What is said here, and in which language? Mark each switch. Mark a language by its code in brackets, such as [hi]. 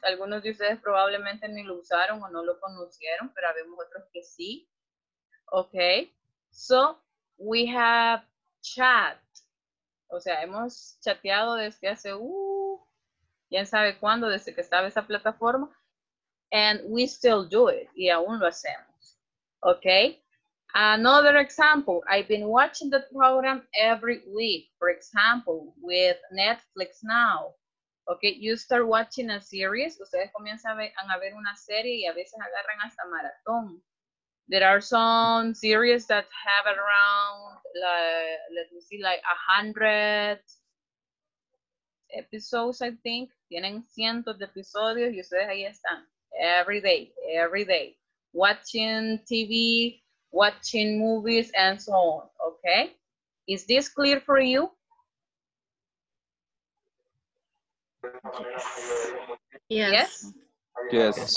[es] Algunos de ustedes probablemente ni lo usaron o no lo conocieron, pero habemos otros que sí. [en] Okay, so we have chat. [es] O sea, hemos chateado desde hace, quién sabe cuándo, desde que estaba esa plataforma. [en] And we still do it, [es] y aún lo hacemos. [en] Okay, another example, I've been watching the program every week, for example, with Netflix Now. Okay, you start watching a series, [es] ustedes comienzan a ver una serie y a veces agarran hasta maratón. [en] There are some series that have around, like, let me see, like 100 episodes, I think. [es] Tienen cientos de episodios y ustedes ahí están. [en] Every day, watching TV, watching movies, and so on, okay? Is this clear for you? Yes. Yes.